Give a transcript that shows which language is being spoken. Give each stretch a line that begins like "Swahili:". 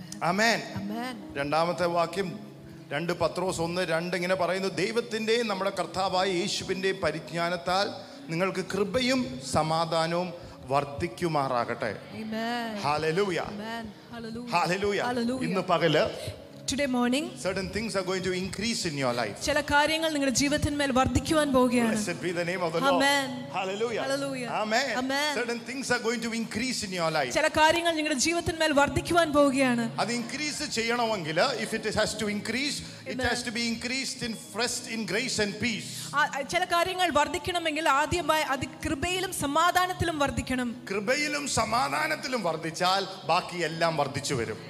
Malayalam: ആമേൻ രണ്ടാമത്തെ വാക്യം രണ്ട് പത്രോസ് ഒന്ന് രണ്ട് ഇങ്ങനെ പറയുന്നു ദൈവത്തിൻ്റെയും നമ്മുടെ കർത്താവായ യേശുവിൻ്റെയും പരിജ്ഞാനത്താൽ നിങ്ങൾക്ക് കൃപയും സമാധാനവും വർദ്ധിക്കുമാറാകട്ടെ ഹല്ലേലൂയ
English: Hallelujah. Hallelujah.
Malayalam: ഇന്ന് പകല്
English: Today morning certain things are going to increase in your life.
Malayalam: ചില കാര്യങ്ങൾ നിങ്ങളുടെ ജീവിതത്തിന്മേൽ വർദ്ധിക്കുവാൻ പോവുകയാണ്.
English: Blessed be the name of the Lord. Amen. Hallelujah. Hallelujah. Amen. Amen. Certain things are going to increase in your life.
Malayalam: ചില കാര്യങ്ങൾ നിങ്ങളുടെ ജീവിതത്തിന്മേൽ വർദ്ധിക്കുവാൻ പോവുകയാണ്. അത് increase ചെയ്യണമെങ്കിൽ
English: if it has to increase Amen. It has to be increased in first in grace and peace.
Malayalam: ചില കാര്യങ്ങൾ വർദ്ധിക്കണമെങ്കിൽ ആദ്യമായി അത് കൃപയിലും സമാധാനത്തിലും വർദ്ധിക്കണം. കൃപയിലും സമാധാനത്തിലും വർദ്ധിച്ചാൽ ബാക്കി എല്ലാം വർദ്ധിച്ചു വരും.